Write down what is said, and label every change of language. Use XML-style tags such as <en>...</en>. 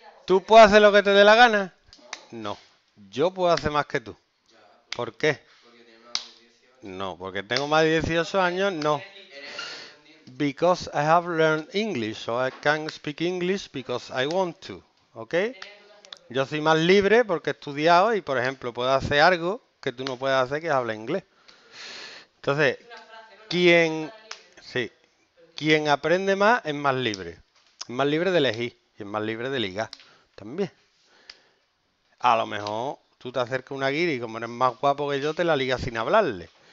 <es>¿Tú puedes hacer lo que te dé la gana? No, yo puedo hacer más que tú. ¿Por qué? No, porque tengo más de 18 años, no.</es> <en>Because I have learned English, so I can speak English because I want to, ¿ok?</en> <es>Yo soy más libre porque he estudiado y, por ejemplo, puedo hacer algo que tú no puedes hacer, que es hablar inglés. Entonces, quien, sí, quien aprende más es más libre. Es más libre de elegir y es más libre de ligar también. A lo mejor tú te acercas a una guiri y como eres más guapo que yo, te la ligas sin hablarle.</es>